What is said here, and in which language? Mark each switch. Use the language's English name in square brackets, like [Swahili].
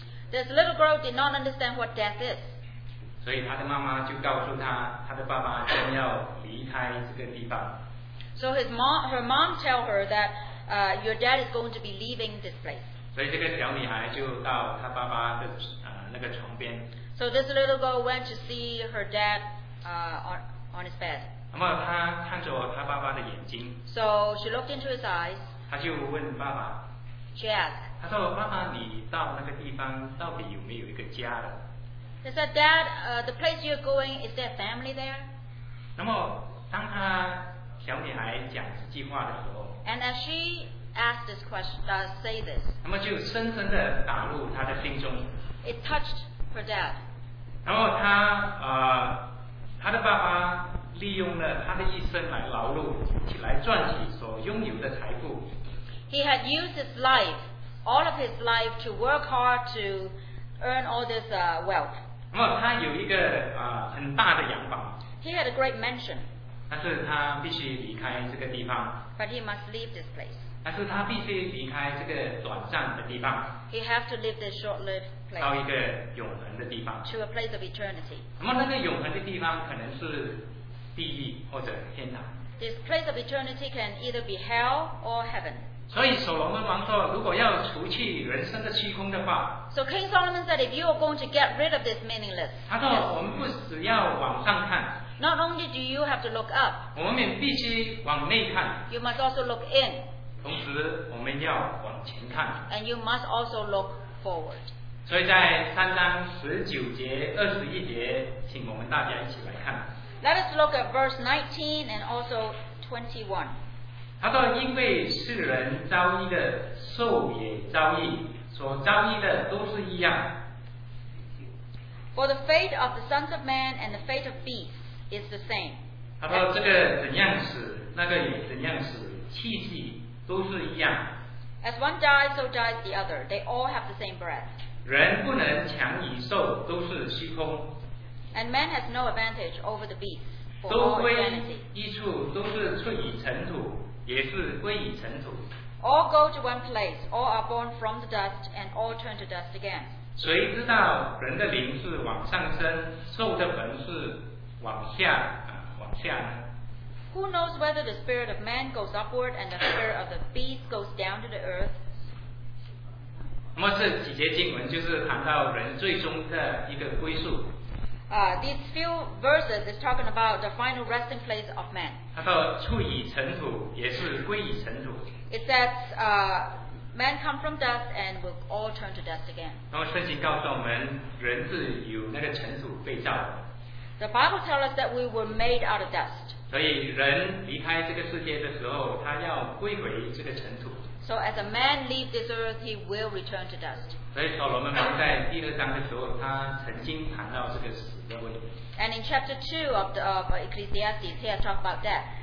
[English] This little girl did not understand what death is. [Chinese] 所以她的妈妈就告诉她，她的爸爸将要离开这个地方。 [English] So her mom tell her that your dad is going to be leaving this place. [Chinese] 所以这个小女孩就到她爸爸的那个床边。 [English] So this little girl went to see her dad on his bed. [Chinese] 那么他看着他爸爸的眼睛 [English] ，So she looked into his eyes. [Chinese] 他就问爸爸 [English] ，She asked. [Chinese] 他说：“爸爸，你到那个地方到底有没有一个家的 [English] ？”He said, "Dad, the place you're going, is there family there?" [Chinese] 那么当他小女孩讲这句话的时候 [English] ，And as she asked this question, say this. [Chinese] 那么就深深地打入他的心中 [English] ，It touched her dad. [Chinese] 然后他他的爸爸。利用了他的一生来劳碌，来赚取所拥有的财富。 [English] He had used his life, all of his life, to work hard to earn all this wealth. [Chinese] 那么他有一个很大的洋房。 [English] He had a great mansion. [Chinese] 但是他必须离开这个地方。 [English] But he must leave this place. [Chinese] 但是他必须离开这个短暂的地方。 [English] He have to leave this short-lived place. [Chinese] 到一个永恒的地方。 [English] To a place of eternity. [Chinese] 那么那个永恒的地方可能是。地狱或者天堂。 [English] This place of eternity can either be hell or heaven. [Chinese] 所以所罗门王说，如果要除去人生的虚空的话 [English] ，So King Solomon said, if you are going to get rid of this meaningless, [Chinese] 他说我们不只要往上看 [English] ，Not only do you have to look up, [Chinese] 我们必须往内看 [English] ，You must also look in. [Chinese] 同时我们要往前看 [English] ，And you must also look forward. [Chinese] 所以在三章十九节、二十一节，请我们大家一起来看。 [English] Let us look at verse 19 and also 21. [Chinese] 他说：“因为世人遭异的，兽也遭异，所遭异的都是一样。” [English] For the fate of the sons of man and the fate of beasts is the same. [Chinese] 他说：“这个怎样死，那个也怎样死，气息都是一样。” [English] As one dies, so dies the other. They all have the same breath. [Chinese] 人不能强于兽，都是虚空。 [English] And man has no advantage over the beasts. [Chinese] 都归一处，都是出于尘土，也是归于尘土。 [English] All go to one place. All are born from the dust, and all turn to dust again. [Chinese] 谁知道人的灵是往上升，兽的魂是往下呢 [English] ？Who knows whether the spirit of man goes upward and the spirit of the beast goes down to the earth? [Chinese] 那么这几节经文就是谈到人最终的一个归宿。 [English] These few verses is talking about the final resting place of man. [Chinese] 他说出以尘土，也是归以尘土。 [English] It says, man come from dust and will all turn to dust again. [Chinese] 然后圣经告诉我们，人是由那个尘土被造的。 [English] The Bible tells us that we were made out of dust. [Chinese] 所以人离开这个世界的时候，他要归回这个尘土。 [English] So as a man leaves this earth, he will return to dust. [Chinese] 所以所罗门王在第二章的时候，他曾经谈到这个死的问题。 [English] And in chapter 2 of the of Ecclesiastes, he has talked about that.